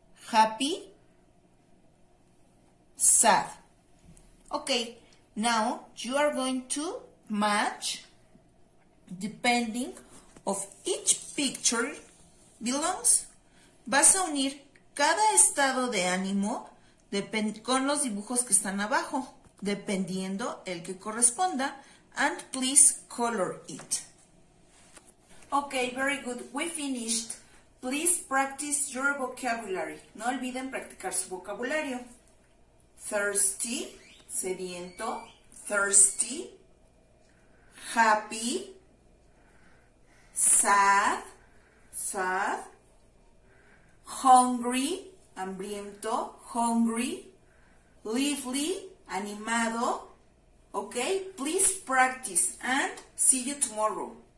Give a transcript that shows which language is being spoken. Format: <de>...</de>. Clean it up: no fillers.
<en>Happy. Sad. Okay, now you are going to match, depending of each picture belongs.</en> <es>Vas a unir cada estado de ánimo con los dibujos que están abajo, dependiendo el que corresponda,</es> <en>and please color it. Okay, very good. We finished. Please practice your vocabulary.</en> <es>No olviden practicar su vocabulario.</es> <en>Thirsty. Sediento, thirsty, happy, sad, sad, hungry, hambriento, hungry, lively, animado. Okay, please practice and see you tomorrow.</en>